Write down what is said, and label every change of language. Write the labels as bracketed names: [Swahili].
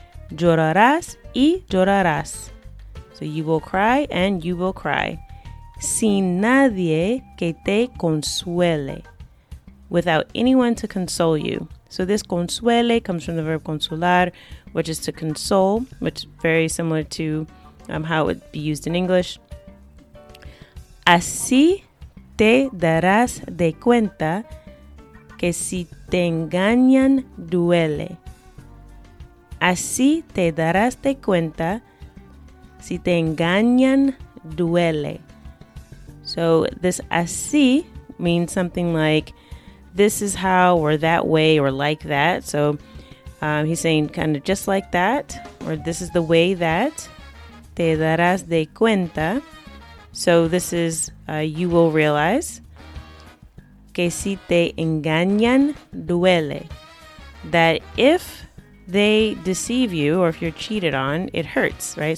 [Spanish] Llorarás y llorarás. [English] So you will cry and you will cry. [Spanish] Sin nadie que te consuele. [English] Without anyone to console you. So this consuele comes from the verb consolar, which is to console, which is very similar to how it would be used in English. [Spanish] Así te darás de cuenta que si te engañan duele. Así te darás de cuenta si te engañan duele. [English] So this así means something like this is how or that way or like that. So he's saying kind of just like that or this is the way that [Spanish] te darás de cuenta. [English] So this is you will realize [Spanish] que si te engañan duele, [English] that if they deceive you or if you're cheated on, it hurts, right?